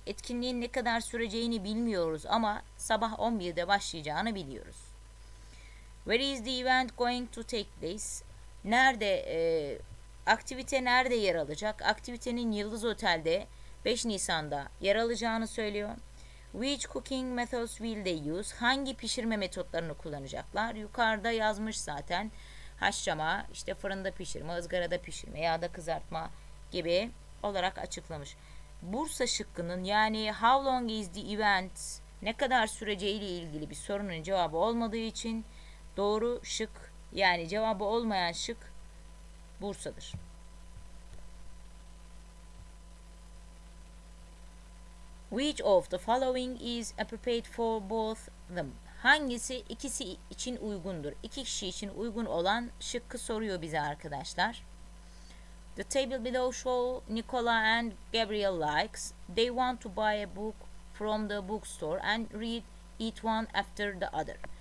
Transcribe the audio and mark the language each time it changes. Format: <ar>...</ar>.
<tr>Etkinliğin ne kadar süreceğini bilmiyoruz ama sabah 11'de başlayacağını biliyoruz.</tr> <en>Where is the event going to take place?</en> <tr>Nerede, aktivite nerede yer alacak? Aktivitenin Yıldız Otel'de 5 Nisan'da yer alacağını söylüyor.</tr> <en>Which cooking methods will they use?</en> <tr>Hangi pişirme metotlarını kullanacaklar? Yukarıda yazmış zaten. Haşlama, işte fırında pişirme, ızgarada pişirme, yağda kızartma gibi olarak açıklamış. Bursa şıkkının, yani</tr> <en>how long is the event,</en> <tr>ne kadar süreceğiyle ilgili bir sorunun cevabı olmadığı için doğru şık, yani cevabı olmayan şık Bursa'dır.</tr> <en>Which of the following is appropriate for both them?</en> <tr>Hangisi ikisi için uygundur? İki kişi için uygun olan şıkkı soruyor bize arkadaşlar.</tr> <en>The table below show Nicola and Gabriel likes. They want to buy a book from the bookstore and read it one after the other.</en>